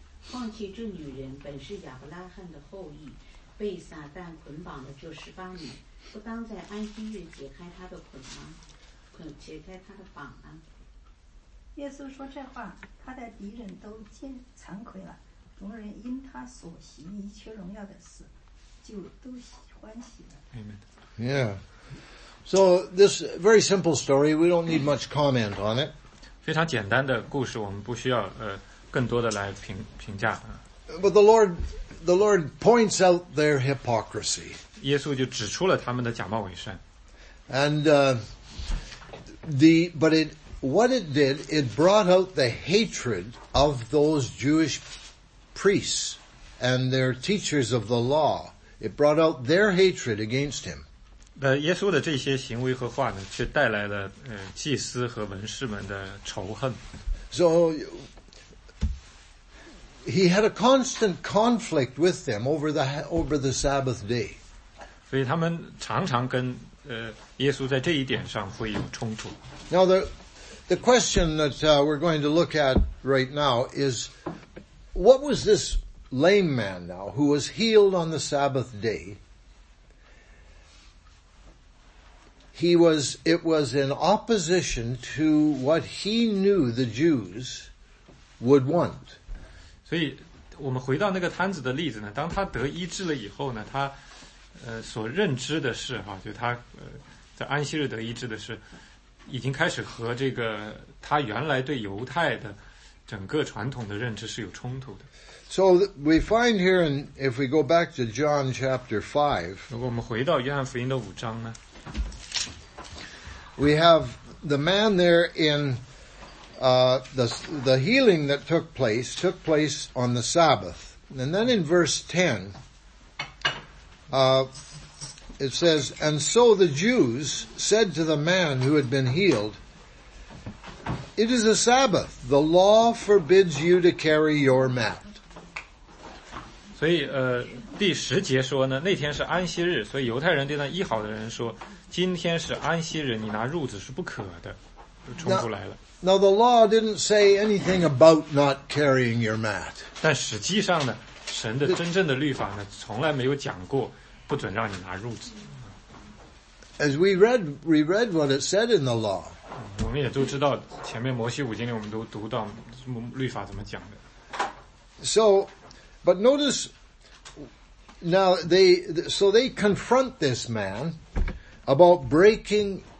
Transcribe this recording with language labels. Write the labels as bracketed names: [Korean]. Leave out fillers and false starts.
[Chinese] 况且这女人本是亚伯拉罕的后裔，被撒旦捆绑了这十八年，不当在安息日解开他的捆吗？解开他的绑吗？耶稣说这话，他的敌人都见惭愧了，众人因他所行一切荣耀的事就都欢喜了。 [English] Amen. Yeah, so this very simple story, we don't need much comment on it. [Chinese] 非常简单的故事，我们不需要更多的来评价。 [English] But the Lord points out their hypocrisy. [Chinese] 耶稣就指出了他们的假冒伪善。 [English] And it brought out the hatred of those Jewish priests and their teachers of the law. It brought out their hatred against him. [Chinese] 耶稣的这些行为和话呢，却带来了祭司和文士们的仇恨。 [English] So,He had a constant conflict with them over the Sabbath day. [Chinese] 所以他们常常跟耶稣在这一点上会有冲突。 [English] Now the question that we're going to look at right now is, what was this lame man now who was healed on the Sabbath day? It was in opposition to what he knew the Jews would want. [Chinese] 所以我们回到那个摊子的例子呢，当他得医治了以后呢，他所认知的是哈，就他在安息日得医治的是已经开始和这个他原来对犹太的整个传统的认知是有冲突的。 [English] So we find here, and if we go back to John chapter 5, [Chinese] 如果我们回到约翰福音的五章呢， [English] we have the man there inthe healing that took place on the Sabbath. And then in verse 10, it says, And so the Jews said to the man who had been healed, It is a Sabbath. The law forbids you to carry your mat. [Chinese] 所以第十节说呢，那天是安息日，所以犹太人对那医好的人说，今天是安息日，你拿褥子是不可的。就冲突来了。 [English] Now the law didn't say anything about not carrying your mat. [Chinese] 但实际上呢，神的真正的律法呢，从来没有讲过不准让你拿褥子。 [English] As we read what it said in the law. [Chinese] 我们也都知道，前面摩西五经里我们都读到律法怎么讲的。 [English] So, but notice now they confront this man about breaking.